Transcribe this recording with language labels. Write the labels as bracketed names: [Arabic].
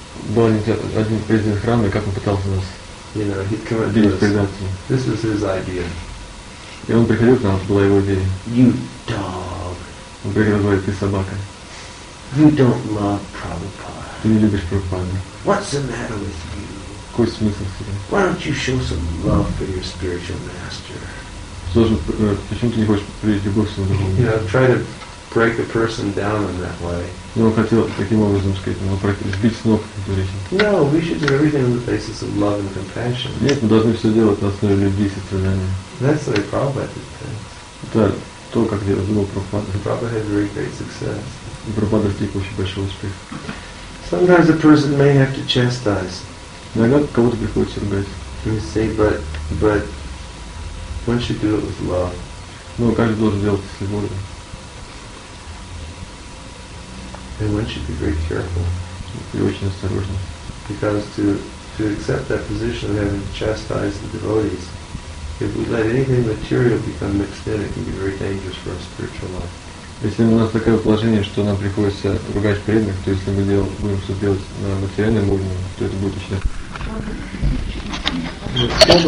[Russian] Был один президент храма, и как он пытался нас делать предатель. [English] This was his idea. [Russian] И он приходил к нам, это была его идея. [English] You dog. [Russian] Он приходил, говорит, ты собака. [English] You don't love Prabhupada. [Russian] Ты не любишь Прабхупаду. [English] What's the matter with you? [Russian] Какой смысл в тебе? [English] Why don't you show some love for your spiritual master? [Russian] Почему ты не хочешь проявить любовь к своему духовному? [English] You know, try to break a person down in that way. [Russian] Но он хотел таким образом сказать, сбить с ног эту речь. [English] No, we should do everything on the basis of love and compassion. [Russian] Нет, мы должны все делать на основе любви и сострадания. [English] That's the way Prabhupada did things. [Russian] Это то, как делал Прабхупада. [English] Prabhupada had very great success. [Russian] Прабхупада достиг очень большого успеха. [English] Sometimes a person may have to chastise. [Russian] Иногда кого-то приходится ругать. [English] You say, but one should do it with love. [Russian] Но каждый должен делать с любовью. [English] And one should be very careful. [Russian] И очень осторожно. [English] Because to accept that position of having to chastise the devotees, if we let anything material become mixed in, it can be very dangerous for our spiritual life. [Russian] Если у нас такое положение, что нам приходится ругать преданных, то если мы будем все делать на материальном уровне, то это будет очень